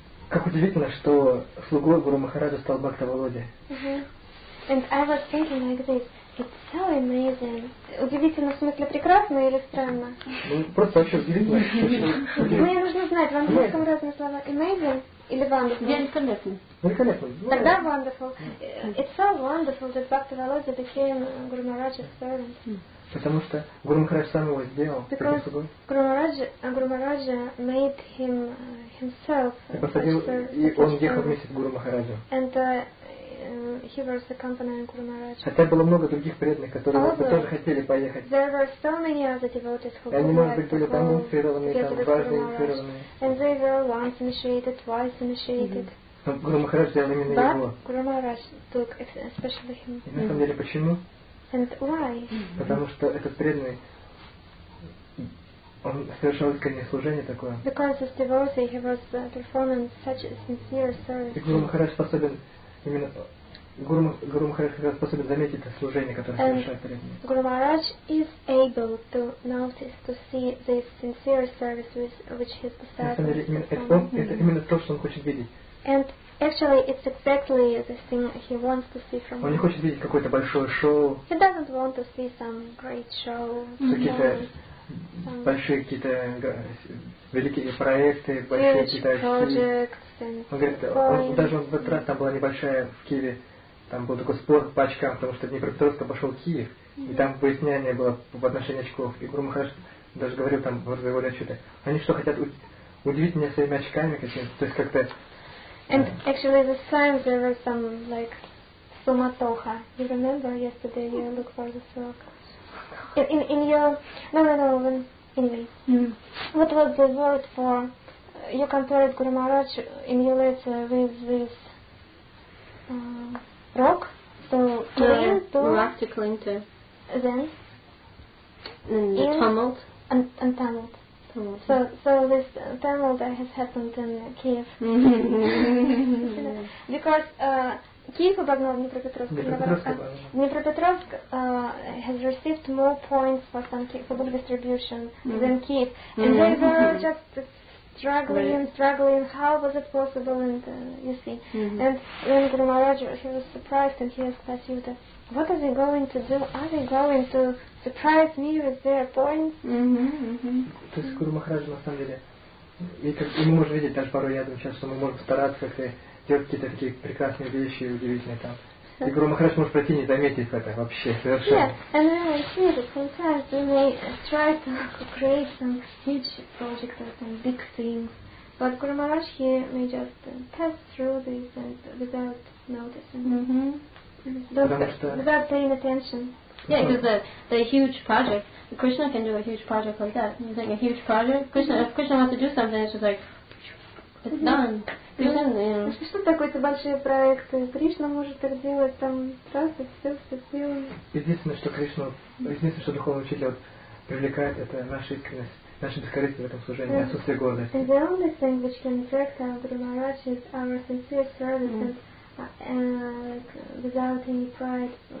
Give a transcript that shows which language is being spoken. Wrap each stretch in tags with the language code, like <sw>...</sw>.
<ru>Как удивительно, что слугой Гуру Махараджа стал Бхакта Валоди.</ru> <en>Uh-huh. And I was thinking like this. It's so amazing.</en> <ru>Удивительно в смысле прекрасно или странно? Ну, просто вообще удивительно. Мне нужно знать, в английском разные слова. Amazing, Или wonderful? Великолепный. Великолепный. Тогда wonderful.</ru> <en>It's so wonderful that Bhakti Valoja became Guru Maharaj's servant.</en> <ru>Потому что Гуру Махарадж сам его сделал.</ru> <en>Гуру Махарадж made him himself.</en> <ru>И посадил, и он ехал вместе с Гуру Махараджем.</ru> <en>And he was accompanying Guru Maharaj.</en> <ru>Хотя было много других преданных, которые бы тоже хотели поехать.</ru> <en>There were so many other devotees who</en> <ru>они, может быть, были там инициированы, там дважды инициированы.</ru> <en>And they were once initiated, twice initiated.</en> <ru>Но Гуру Махарадж сделал именно его.</ru> <en>But Guru Maharaj took especially him.</en> <ru>И на самом деле, почему?</ru> <en>And why?</en> <ru>Потому что этот преданный, он совершал искреннее служение такое.</ru> <en>Because this devotee, he was performing such a sincere service.</en> <ru>И Гуру Махарадж способен именно Гуру Махарадж способен заметить это служение, которое совершает преданный.</ru> <en>Гуру Махарадж is able to notice, to see the sincere service which his disciples do.</en> <ru>Это именно то, что он хочет видеть.</ru> <en>And actually, it's exactly the thing he wants to see from.</en> <ru>Он не хочет видеть какое-то большое шоу.</ru> <en>He doesn't want to see some great show.</en> <ru>Какие-то большие какие-то великие проекты, большие какие-то. Он даже в этот раз там была небольшая в Киеве, там был такой спор по очкам, потому что Днепропетровск обошел Киев, и там выяснение было в отношении очков. И Гуру Махарадж даже говорил там в разговоре что-то. Они что хотят удивить меня своими очками какими-то, то есть как-то.</ru> <en>And actually, this time there was some like sumatoha. You remember yesterday you look for the silk. In your no. When anyway, what was the word for you compared Guru Maharaj in your letter with this rock? So cling to rock to cling to. Then. In the tumult. And tumult. So this tumult that has happened in Kiev. Because Kiev</en> <ru>обогнал Днепропетровск.</ru> <en>Днепропетровск has received more points for some Kiev, for book distribution than Kiev. And they were just struggling, how was it possible, and you see. And then Guru Maharaj, he was surprised, and he asked Vasyuta, what are they going to do? Are they going to surprise me with their points?</en> <ru>То есть Гуру Махарадж, на самом деле, и мы можем видеть даже порой рядом сейчас, что мы можем стараться делать какие-то такие прекрасные вещи и удивительные там. И Гуру Махарадж может пройти и не заметить это вообще, совершенно.</ru> <en>Yeah, and then we see that sometimes we may try to create some huge projects or some big things, but Guru Maharaj, he may just pass through this and without noticing. Without paying attention. Yeah, because the huge project, Krishna can do a huge project like that. You think a huge project? Krishna, if Krishna wants to do something, it's just like, it's done.</en> <ru>Что такое эти большие проекты? Кришна может так делать, там раз и все, все сделаем. Единственное, что Кришна, единственное, что духовный учитель привлекает, это наша искренность, наше бескорыстие в этом служении, отсутствие гордости.</ru> <en>The only thing which can attract our Guru Maharaj is our sincere service and without any pride,</en>